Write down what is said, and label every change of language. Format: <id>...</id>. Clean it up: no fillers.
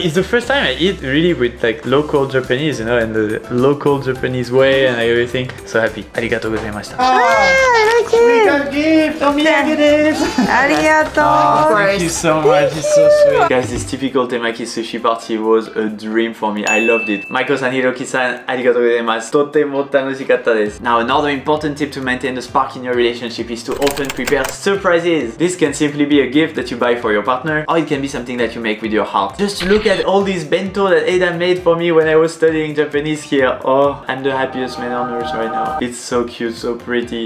<en>It's the first time I eat really with like local Japanese, you know, and the local Japanese way and everything. So happy.</en> <ja>ありがとうございました。</ja> <en>Ah, I like it. We got gift.</en> <ja>お土産です。ありがとう。</ja> <en>Thank you so much. It's so sweet. Guys, this typical temaki sushi party was a dream for me. I loved it.</en> <ja>Maiko さん、ヒロキさん、ありがとうございます。とても楽しかったです。</ja> <en>Now another important. Tip to maintain the spark in your relationship is to often prepare surprises. This can simply be a gift that you buy for your partner, or it can be something that you make with your heart. Just look at all these bento that Ada made for me when I was studying Japanese here. Oh, I'm the happiest man on earth right now. It's so cute, so pretty.</en>